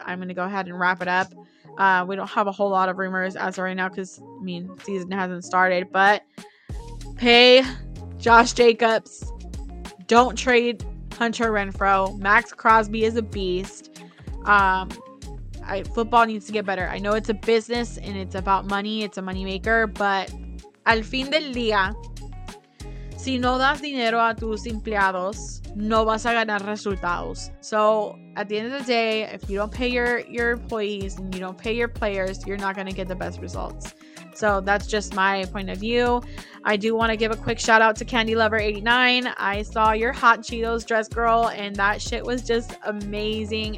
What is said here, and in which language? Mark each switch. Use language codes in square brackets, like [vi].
[en] I'm going to go ahead and wrap it up. We don't have a whole lot of rumors as of right now because, I mean, season hasn't started. But pay Josh Jacobs. Don't trade Hunter Renfrow. Max Crosby is a beast. Football needs to get better. I know it's a business and it's about money. It's a moneymaker. [es] But al fin del día, si no das dinero a tus empleados, no vas a ganar resultados. [en] So at the end of the day, if you don't pay your employees and you don't pay your players, you're not going to get the best results. So that's just my point of view. I do want to give a quick shout out to CandyLover89. I saw your Hot Cheetos dress, girl, and that shit was just amazing.